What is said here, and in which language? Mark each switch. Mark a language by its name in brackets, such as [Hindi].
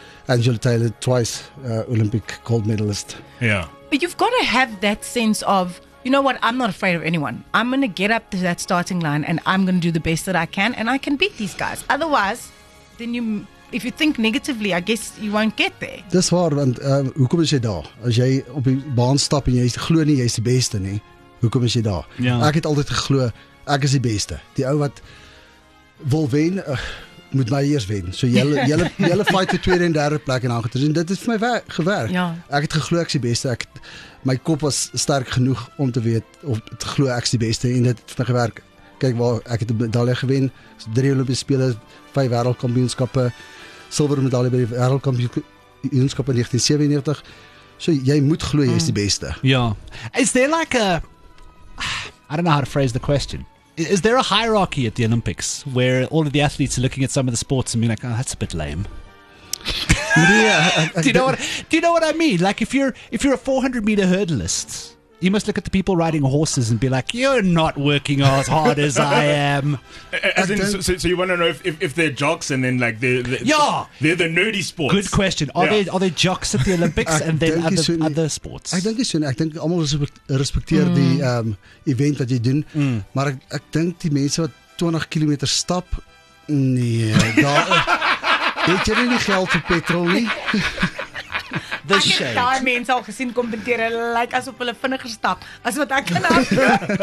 [English] Angela Taylor, twice Olympic gold medalist. Yeah. But you've got to have that sense of, you know what? I'm not afraid of anyone. I'm going to get up to that starting line and I'm going to do the best that I can and I can beat these guys. Otherwise, then you, if you think negatively, I guess you won't get there. [Afrikaans] Dis waar, want hoekom is jy daar? As jy op die baan stap en jy glo nie jy's die beste nie, hoekom is jy daar? [English] Yeah. [Afrikaans] Ek het altyd geglo ek is die beste. Die ou wat wil wen, moet my eers wen. So jy fight die tweede en derde plek en aangetrek en dit het vir my gewerk. [English] Yeah. [Afrikaans] Ek het geglo ek's die beste. My kop was sterk genoeg om te weet of te glo ek's die beste en dit het vir my gewerk. Kyk waar ek het 'n medalje gewen. 3 Olimpiese spele, 5 wêreldkampioenskappe, silwer medalje by die wêreldkampioenskappe in 1997. So jy moet glo jy's die beste. Ja. Yeah. [English] Is there like a, I don't know how to phrase the question. Is there a hierarchy at the Olympics where all of the athletes are looking at some of the sports and being like, oh, that's a bit lame? Do you know what I mean? Like if you're a 400 meter hurdleist, you must look at the people riding horses and be like, you're not working as hard as I am. As in, so you want to know if they're jocks and then like they're the nerdy sports. Good question. Are they jocks at the Olympics and then other sports? I think so. I think almost respecteer the event that you do. [Afrikaans] Maar ek dink die mense wat 20 kilometer stap, nee, daar. Het jy nie geld vir petrol nie? [English] The ek shade. [Afrikaans] Ek het daai mense al gesien kommenteer, hulle lyk asof hulle vinniger stap as wat ek kan hardloop.